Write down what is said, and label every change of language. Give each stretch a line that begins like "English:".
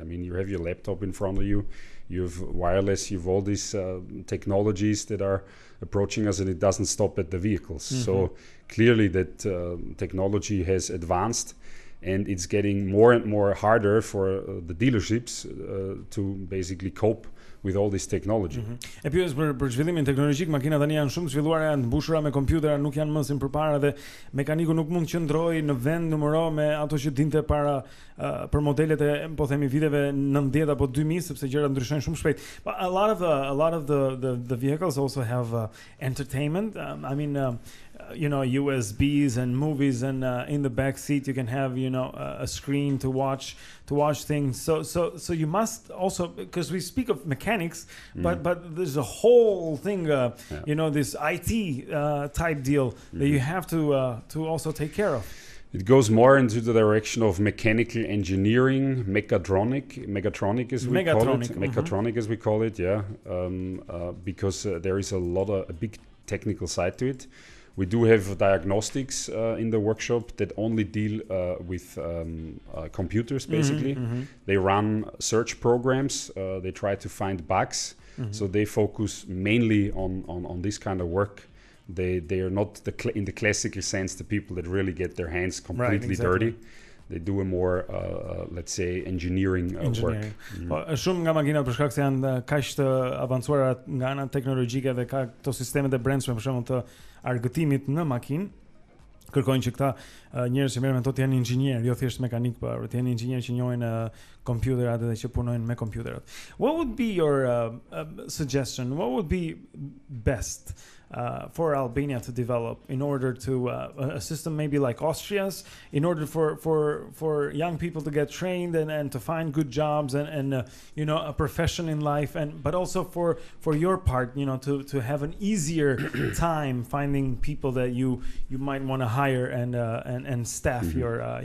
English: I mean, you have your laptop in front of you, you have wireless, you have all these technologies that are approaching us, and it doesn't stop at the vehicles. So clearly that technology has advanced, and it's getting more and more harder for the dealerships to basically cope with all this technology.
Albanian: E pyes për zhvillimin teknologjik, makina tani janë shumë zhvilluar, janë mbushura me kompjutera, nuk janë më si përpara, dhe mekaniku nuk mund të qëndrojë në vend numëro me ato që dinte para për modelet e, po themi, viteve 90 apo 2000, sepse gjërat ndryshojnë shumë shpejt.
English: But a lot of the vehicles also have entertainment. You know, USBs and movies, and in the back seat you can have, you know, a screen to watch things. So you must also, because we speak of mechanics, but there's a whole thing, you know, this IT type deal that you have to also take care of. It goes more into the direction of mechanical engineering, mechatronic as we call it, yeah. Because there is a big technical side to it. We do have diagnostics in the workshop that only deal with computers, basically. They run search programs, they try to find bugs, so they focus mainly on this kind of work. They are not in the classical sense the people that really get their hands completely dirty. They do a more, let's say, engineering work.
Albanian: Shumë nga makinat, për shkak se janë kaq të avancuara nga ana teknologjike dhe ka këto sistemet e brendshme, për shembull, të argëtimit në makinë, kërkojnë që këta njerëz që merren me to të jenë inxhinier, jo thjesht mekanik, por të jenë inxhinier që njohin kompjuterat dhe që punojnë me kompjuterat.
English: What would be your suggestion? What would be best? for Albania to develop in order to a system maybe like Austria's, in order for young people to get trained and to find good jobs and a profession in life, and but also for your part, you know, to have an easier time finding people that you might want to hire and staff mm-hmm.